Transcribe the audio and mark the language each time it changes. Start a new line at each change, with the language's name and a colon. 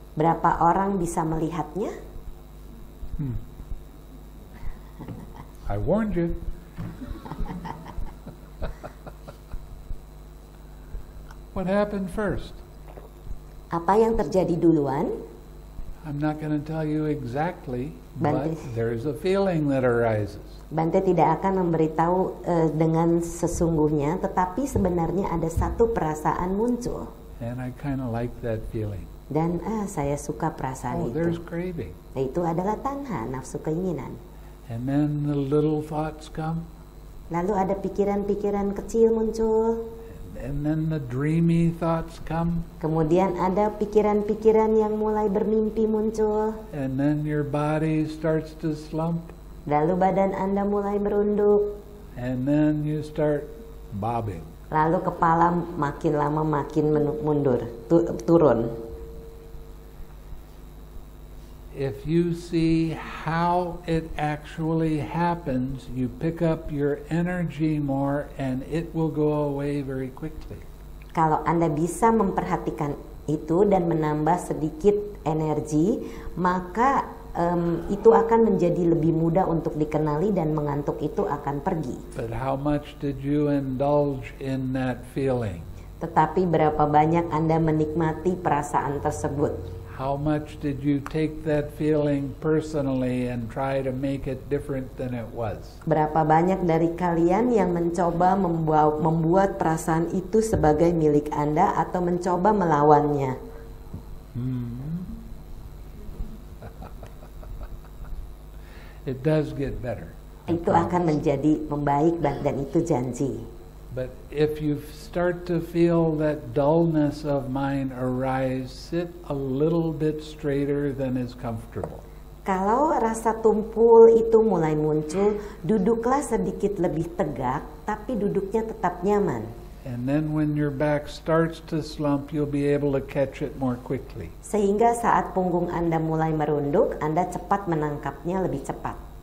Indonesian: Berapa orang bisa melihatnya?
English: I warned you. What happened first?
Indonesian: Apa yang terjadi duluan?
English: I'm not going to tell you exactly, Bante, but there's a feeling that arises.
Indonesian: Bante tidak akan memberitahu dengan sesungguhnya, tetapi sebenarnya ada satu perasaan muncul.
English: And I kind of like that feeling.
Indonesian: Dan saya suka perasaan itu.
English: Oh, there's craving.
Indonesian: Itu adalah tanha, nafsu keinginan.
English: And then the little thoughts come.
Indonesian: Lalu ada pikiran-pikiran kecil muncul.
English: And then the dreamy thoughts come.
Indonesian: Kemudian ada pikiran-pikiran yang mulai bermimpi muncul.
English: And then your body starts to slump.
Indonesian: Lalu badan Anda mulai merunduk.
English: And then you start bobbing.
Indonesian: Lalu kepala makin lama makin mundur, turun.
English: If you see how it actually happens, you pick up your energy more and it will go away very quickly.
Indonesian: Kalau Anda bisa memperhatikan itu dan menambah sedikit energi, maka itu akan menjadi lebih mudah untuk dikenali dan mengantuk itu akan pergi.
English: But how much did you indulge in that feeling?
Indonesian: Tetapi berapa banyak Anda menikmati perasaan tersebut?
English: How much did you take that feeling personally and try to make it different than it was?
Indonesian: Berapa banyak dari kalian yang mencoba membuat perasaan itu sebagai milik Anda atau mencoba melawannya?
English: It does get better.
Indonesian: Itu akan menjadi membaik dan itu janji.
English: But if you start to feel that dullness of mind arise, sit a little bit straighter than is comfortable.
Indonesian: Kalau rasa tumpul itu mulai muncul, duduklah sedikit lebih tegak, tapi duduknya tetap nyaman.
English: And then when your back starts to slump, you'll be able to catch it more quickly.
Indonesian: Sehingga saat punggung Anda mulai merunduk, Anda cepat menangkapnya lebih cepat.